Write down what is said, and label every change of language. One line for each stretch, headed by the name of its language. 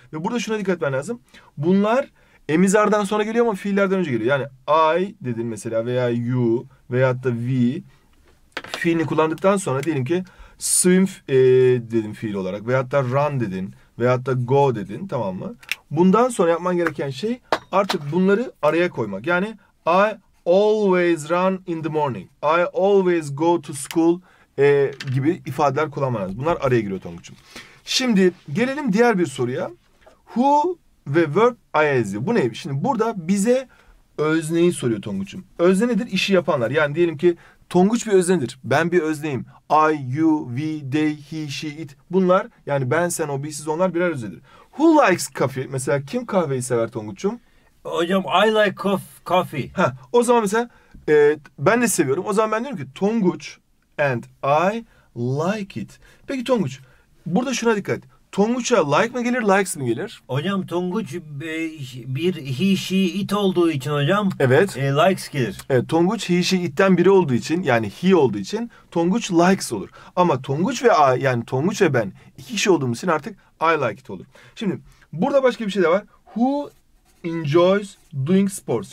Turkish: Ve burada şuna dikkat etmen lazım. Bunlar emizardan sonra geliyor ama fiillerden önce geliyor. Yani I dedin mesela veya you veyahut da we fiilini kullandıktan sonra diyelim ki swim dedin fiil olarak veyahut da run dedin veyahut da go dedin, tamam mı? Bundan sonra yapman gereken şey artık bunları araya koymak. Yani
English: I always run in the morning, I always go to school
Turkish: gibi ifadeler kullanmanız. Bunlar araya giriyor Tonguç'um. Şimdi gelelim diğer bir soruya. Who ve verb is. Bu neymiş? Şimdi burada bize özneyi soruyor Tonguç'um. Özne nedir? İşi yapanlar. Yani diyelim ki Tonguç bir öznedir. Ben bir özneyim. I, you, we, they, he, she, it. Bunlar, yani ben, sen, o, biz, siz, onlar birer öznedir.
English: Who likes coffee?
Turkish: Mesela kim kahveyi sever Tonguç'um? Hocam
English: I like coffee.
Turkish: O zaman mesela ben de seviyorum. O zaman ben diyorum ki
English: Tonguç and I like it.
Turkish: Peki Tonguç, burada şuna dikkat. Tonguç'a like mı gelir, likes mi gelir? Hocam Tonguç bir he, she, it olduğu için hocam. Evet. Likes gelir. Evet, Tonguç he, she, it'ten biri olduğu için, yani he olduğu için Tonguç likes olur. Ama Tonguç ve I, yani Tonguç ve ben iki kişi olduğumuz için artık
English: I like it
Turkish: olur. Şimdi burada başka bir şey de var.
English: Who enjoys doing sports?